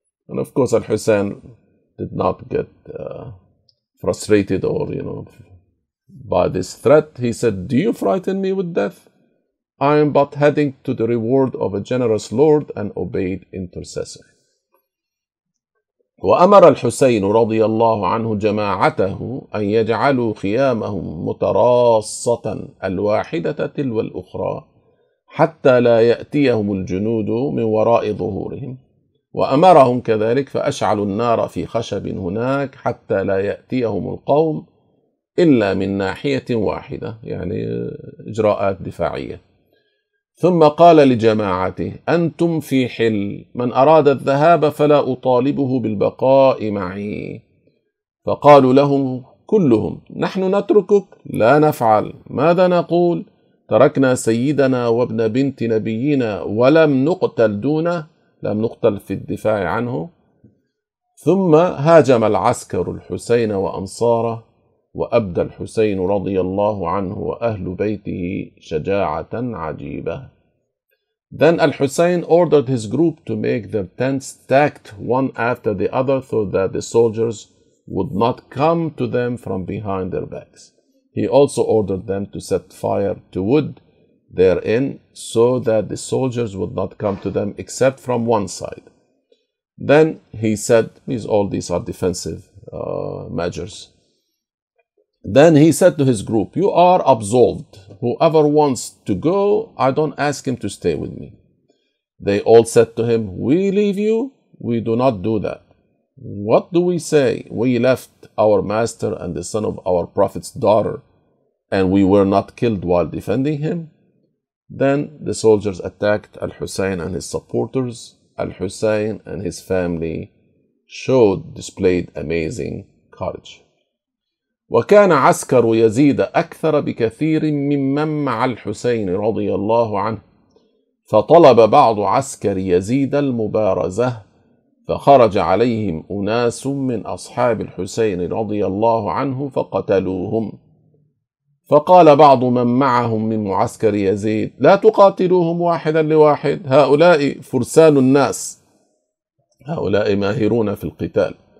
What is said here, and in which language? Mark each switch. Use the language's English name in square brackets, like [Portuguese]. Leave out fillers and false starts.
[English] And of course, Al-Husayn did not get frustrated or, you know, by this threat. He said, do you frighten me with death? I am but heading to the reward of a generous Lord and obeyed intercessor. [Arabic] وأمر الحسين رضي الله عنه جماعته أن يجعلوا خيامهم متراصة الواحدة تلو الأخرى حتى لا يأتيهم الجنود من وراء ظهورهم، وأمرهم كذلك فأشعلوا النار في خشب هناك حتى لا يأتيهم القوم إلا من ناحية واحدة، يعني إجراءات دفاعية. ثم قال لجماعته: أنتم في حل، من أراد الذهاب فلا أطالبه بالبقاء معي. فقالوا لهم كلهم: نحن نتركك، لا نفعل، ماذا نقول؟ تركنا سيدنا وابن بنت نبينا ولم نقتل دونه، لم نقتل في الدفاع عنه. ثم هاجم العسكر الحسين وأنصاره، وأبدى الحسين رضي الله عنه وأهل بيته شجاعة عجيبة. [English] Then Al-Husayn ordered his group to make their tents stacked one after the other so that the soldiers would not come to them from behind their backs. He also ordered them to set fire to wood therein, so that the soldiers would not come to them except from one side. Then he said, all these are defensive measures. Then he said to his group, "You are absolved. Whoever wants to go, I don't ask him to stay with me." They all said to him, "We leave you? We do not do that. What do we say? We left our master and the son of our prophet's daughter, and we were not killed while defending him." Then the soldiers attacked Al-Hussein and his supporters. Al-Hussein and his family displayed amazing courage. [Arabic] وكان عسكر يزيد أكثر بكثير ممن مع الحسين رضي الله عنه فطلب بعض عسكر يزيد المبارزة فخرج عليهم أناس من أصحاب الحسين رضي الله عنه فقتلوهم فقال بعض من معهم من معسكر يزيد لا تقاتلوهم واحدا لواحد هؤلاء فرسان الناس هؤلاء ماهرون في القتال